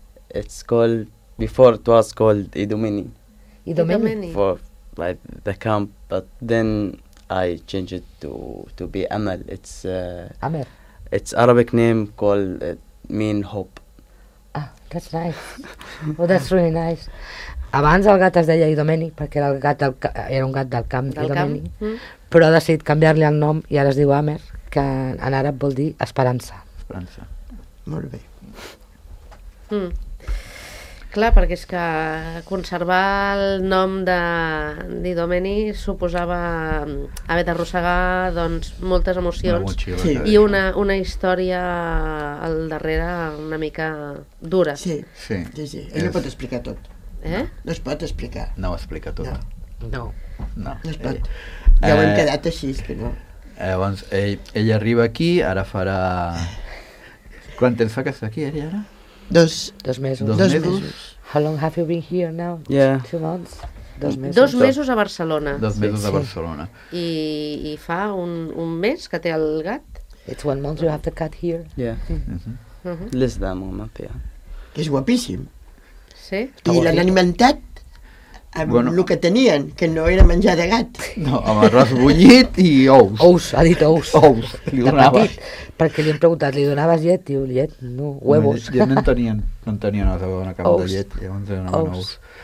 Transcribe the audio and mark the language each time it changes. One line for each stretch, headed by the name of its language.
English: It's called... Before it was called Idomeni. Idomeni? For like the camp, but then I changed it to be Amal. It's Amer. It's Arabic name called mean hope. Ah, that's nice. Well, that's really nice.
Catalan: Abans el gat es deia Idomeni, perquè era un gat del camp Idomeni, però ha decidit canviar-li el nom i ara es diu Amer, que en àrab vol dir esperança. Esperança. Molt bé. Clar, perquè és que conservar el nom de d'Idomeni suposava haver d'arrossegar doncs, moltes emocions sí. I una història al darrere una mica dura. Sí, sí. Ell no pot explicar tot. Eh? No es pot explicar. No ho explica tot. No. Es pot. Ja ho hem quedat així, que no. Llavors, ell arriba aquí, ara farà... Quant temps fa que està aquí, ell, ara? Dos mesos.
English: How long have you been here now? Yeah. 2 months?
Catalan: Dos mesos a Barcelona. Dos mesos. A Barcelona. I fa un mes que té el gat?
English: It's 1 month you have the cat here. Yeah. Mm-hmm. Less than 1 month, yeah.
Catalan: Que és guapíssim. Sí. I l'han alimentat amb bueno. El que tenien, que no era menjar de gat. No, amb arròs bullit i ous. Ous, ha dit ous. Ous, li donava. Perquè li hem preguntat, li donaves llet? Diu, llet, no, huevos. Llet no en tenien una bona cama de llet. Llavors era una bona ous.